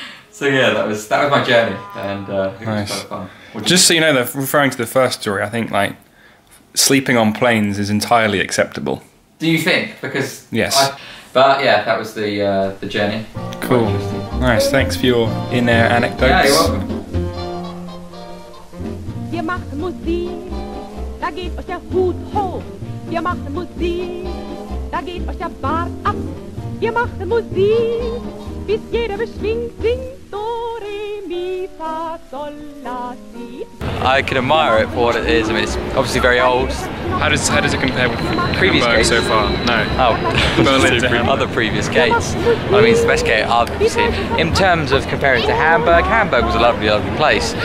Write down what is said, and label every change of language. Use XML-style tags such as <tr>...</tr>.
<en>So yeah, that was my journey, and it was quite fun. Just so you know, referring to the first story, I think like sleeping on planes is entirely acceptable. Do you think? Because yes. But yeah, that was the journey. Cool. Nice. Thanks for your in-air anecdotes. Yeah, you're welcome.</en> <de>Wir machen Musik, da geht euch der Hut hoch. Wir machen Musik, da geht euch der Bart ab. Wir machen Musik, bis jeder beschwingt singt. Do, re, mi, fa, sol, la, si.</de> <en>I can admire it for what it is. I mean, it's obviously very old. How does it compare with previous gates so far? No. Oh, Berlin to other previous gates. I mean, it's the best gate I've seen. In terms of comparing to Hamburg, Hamburg was a lovely, lovely place.</en>